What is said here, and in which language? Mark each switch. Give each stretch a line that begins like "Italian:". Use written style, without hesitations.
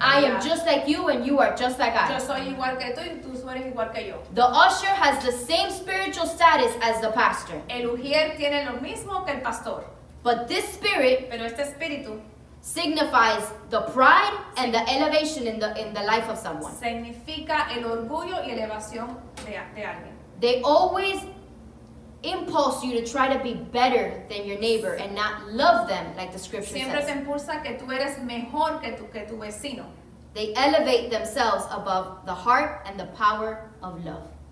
English: I am just like you and you are just like I.
Spanish: Yo soy igual que tú y tú eres igual que yo.
English: The usher has the same spiritual status as the pastor.
Spanish: El ujier tiene lo mismo que el pastor.
English: But this spirit
Spanish: pero este espíritu
English: signifies the pride and the elevation in the life of someone.
Spanish: Significa el orgullo y elevación de alguien.
English: They always impulse you to try to be better than your neighbor and not love them like the scripture
Spanish: siempre
English: says.
Spanish: Siempre te impulsa que tú eres mejor que tu vecino.
English: They elevate themselves above the heart and the power of love.